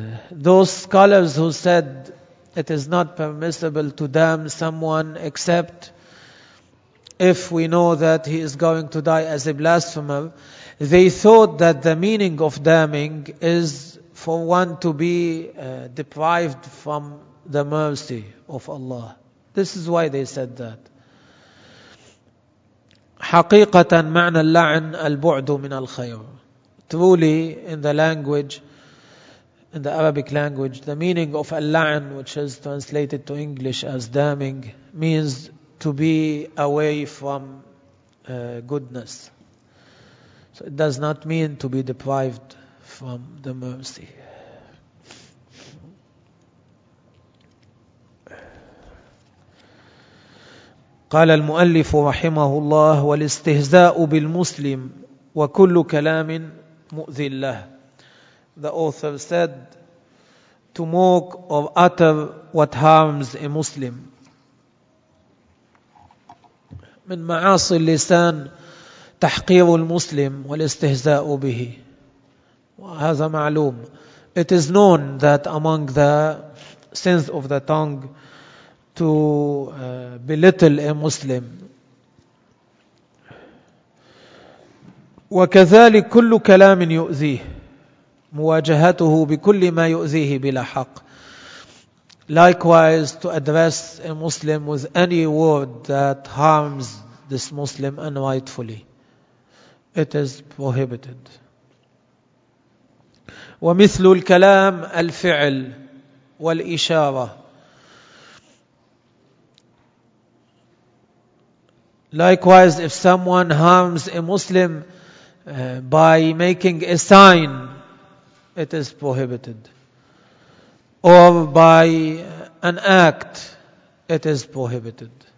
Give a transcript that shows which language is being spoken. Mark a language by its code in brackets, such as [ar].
[en] Those scholars who said it is not permissible to damn someone except if we know that he is going to die as a blasphemer, they thought that the meaning of damning is for one to be deprived from the mercy of Allah. This is why they said that. [ar] حقيقة معنى اللعن البعد من الخير. [en] Truly, in the language, in the Arabic language, the meaning of اللعن, which is translated to English as damning, means to be away from goodness. So it does not mean to be deprived from the mercy. [ar] قال المؤلف رحمه الله: والاستهزاء بالمسلم وكل كلام مؤذي له. [en] The author said, to mock or utter what harms a Muslim. [ar] من معاصي اللسان تحقير المسلم والاستهزاء به. وهذا معلوم. [en] It is known that among the sins of the tongue to belittle a Muslim. [ar] وكذلك كل كلام يؤذيه مواجهته بكل ما يؤذيه بلا حق. [en] Likewise, to address a Muslim with any word that harms this Muslim unrightfully, it is prohibited. [ar] ومثل الكلام الفعل والإشارة. [en] Likewise, if someone harms a Muslim by making a sign, it is prohibited. Or by an act, it is prohibited.